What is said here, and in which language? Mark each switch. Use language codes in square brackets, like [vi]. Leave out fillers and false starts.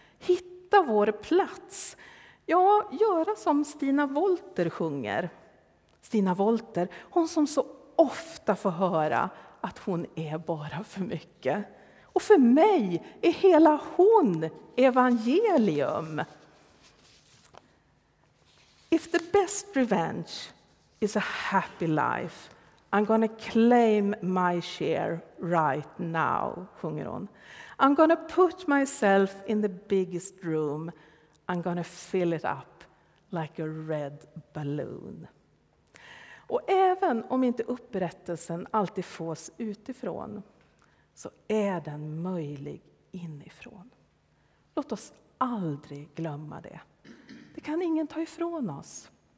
[sv] Hitta vår plats? Ja, göra som Stina Wolter sjunger. Stina Wolter, hon som så ofta får höra att hon är bara för mycket. Och för mig är hela hon evangelium. [en] best revenge is a happy life. I'm gonna claim my share right now, [sv] sjunger hon. [en] I'm gonna put myself in the biggest room. I'm gonna fill it up like a red balloon. [sv] Och även om inte upprättelsen alltid fås utifrån, så är den möjlig inifrån. Låt oss aldrig glömma det. Det kan ingen ta ifrån oss.